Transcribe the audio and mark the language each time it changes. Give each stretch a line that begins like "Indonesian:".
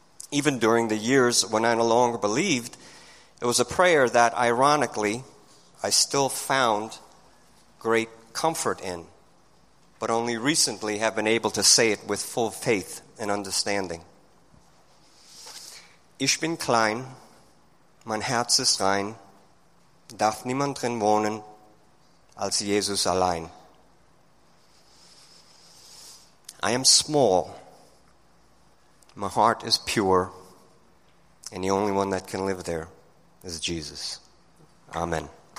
English: Even during the years when I no longer believed, it was a prayer that, ironically, I still found great comfort in, but only recently have been able to say it with full faith and understanding.
German: Ich bin klein, mein Herz ist rein, darf niemand drin wohnen als Jesus allein.
English: I am small, my heart is pure, and the only one that can live there is Jesus. Amen.